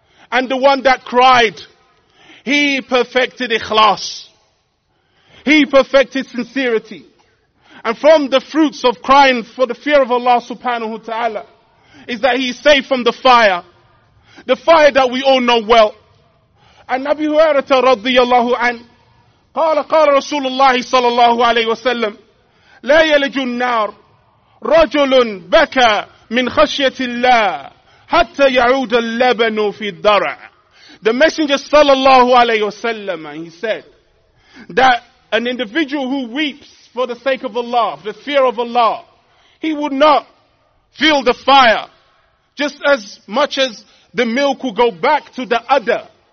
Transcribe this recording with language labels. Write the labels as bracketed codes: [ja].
[en] And the one that cried, he perfected ikhlas. He perfected sincerity. And from the fruits of crying for the fear of Allah subhanahu wa ta'ala, is that he is saved from the fire. The fire that we all know well. [ar] And Nabi Hurairah radiyallahu an, قال قال رسول الله صلى الله عليه وسلم لا يلج النار رجل بكى من خشية الله حتى يعود اللبن في الدرع. [en] The Messenger [ar] صلى الله عليه وسلم, [en] and he said that an individual who weeps for the sake of Allah, for the fear of Allah, he would not feel the fire just as much as the milk will go back to the udder.